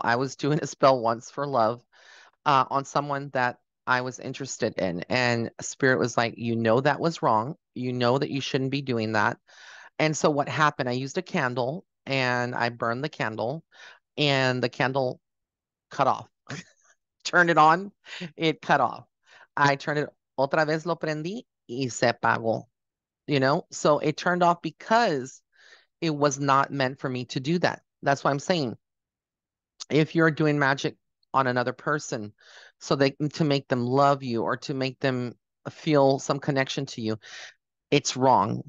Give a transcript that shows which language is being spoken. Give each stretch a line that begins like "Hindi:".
English: I was doing a spell once for love on someone that I was interested in. And spirit was like, that was wrong. You know that you shouldn't be doing that. And so what happened? I used a candle and I burned the candle, and the candle cut off. Turned it on, it cut off. I turned it,
Spanish: otra vez lo prendí y se apagó.
English: So it turned off because it was not meant for me to do that. That's why I'm saying, if you're doing magic on another person, so they to make them love you or to make them feel some connection to you, it's wrong.